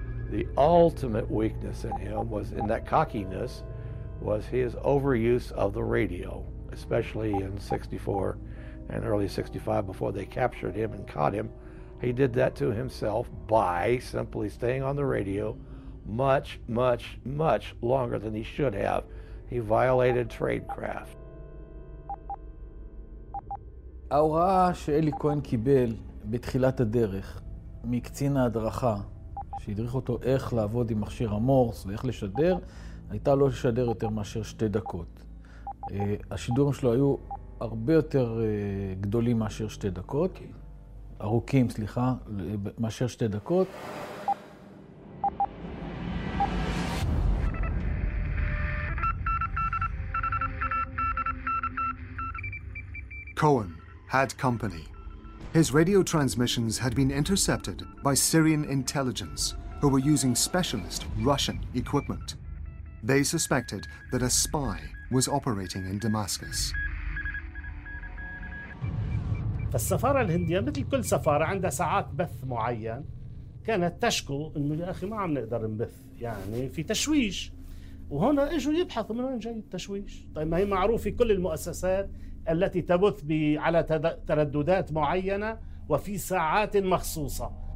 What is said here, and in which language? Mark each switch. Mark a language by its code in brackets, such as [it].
[en] The ultimate weakness in him was in that cockiness, was his overuse of the radio, especially in 64 and early 65 before they captured him and caught him. He did that to himself by simply staying on the radio much, much, much longer than he should have. He violated tradecraft. [he] ההוראה שאלי כהן קיבל בתחילת הדרך מקצין ההדרכה שהדריך אותו איך לעבוד עם מכשיר המורס ואיך לשדר, הייתה לא לשדר יותר מאשר שתי דקות. השידורים שלו היו הרבה יותר גדולים מאשר שתי דקות. ארוכים, סליחה, מאשר שתי דקות. [en] Cohen had company. His radio transmissions had been intercepted by Syrian intelligence, who were using specialist Russian equipment. They suspected that a spy was operating in Damascus. [ar] فالسفارة الهندية مثل كل سفارة عندها ساعات بث معين كانت تشكو انه يا اخي ما عم نقدر نبث يعني في تشويش وهنا اجوا يبحثوا من وين جاي التشويش طيب ما هي معروفة كل المؤسسات التي تبث على ترددات معينة وفي ساعات مخصوصة